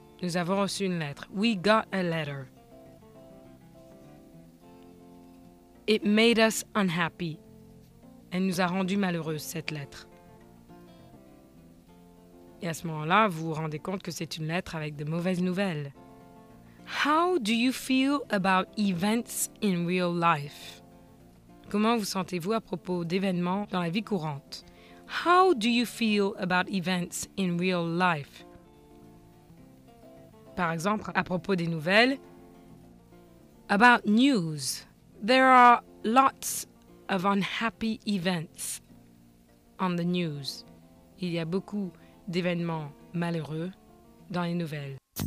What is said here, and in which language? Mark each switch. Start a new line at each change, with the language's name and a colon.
French: Nous avons reçu une lettre.
English: We got a letter. It made us unhappy.
French: Elle nous a rendu malheureuses, cette lettre. Et à ce moment-là, vous vous rendez compte que c'est une lettre avec de mauvaises nouvelles.
English: How do you feel about events in real life?
French: Comment vous sentez-vous à propos d'événements dans la vie courante?
English: How do you feel about events in real life?
French: Par exemple, à propos des nouvelles.
English: About news, there are lots of unhappy events on the news.
French: Il y a beaucoup d'événements malheureux dans les nouvelles.